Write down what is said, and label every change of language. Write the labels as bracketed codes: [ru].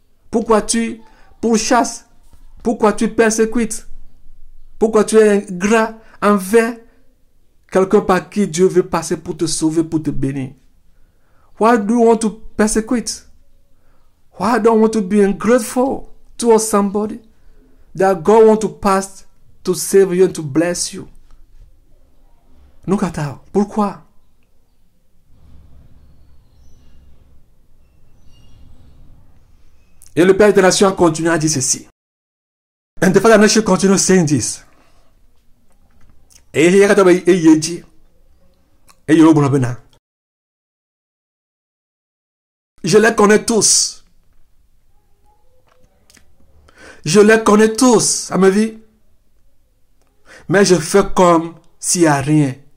[fr] Pourquoi tu pourchasses? Pourquoi tu persécutes? Pourquoi tu es ingrat envers quelqu'un par qui Dieu veut passer pour te sauver, pour te bénir? [en] Why do you want to persecute? Why don't you want to be ungrateful towards somebody that God wants to pass to save you and to bless you? Look at that. [fr] Pourquoi? Et le Père de la nation continue à dire ceci. [en] And the Father of the nation continue saying this. [fr] Et il y a quand même un yéji. Et il y a un bon abonné. Je les connais tous. Je les connais tous à ma vie. Mais je fais comme s'il n'y a rien.